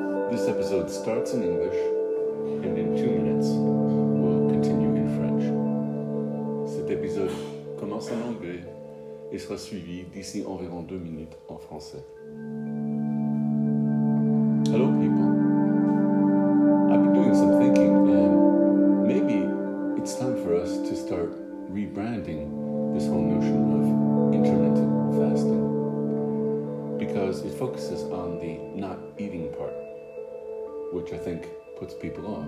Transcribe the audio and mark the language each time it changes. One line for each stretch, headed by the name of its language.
English: This episode starts in English, and in 2 minutes, we'll continue in French.
French: Cet épisode commence en anglais et sera suivi d'ici environ 2 minutes en français.
English: Hello, people. I've been doing some thinking, and maybe it's time for us to start rebranding this whole notion of intermittent fasting, because it focuses on the not eating part, which I think puts people off.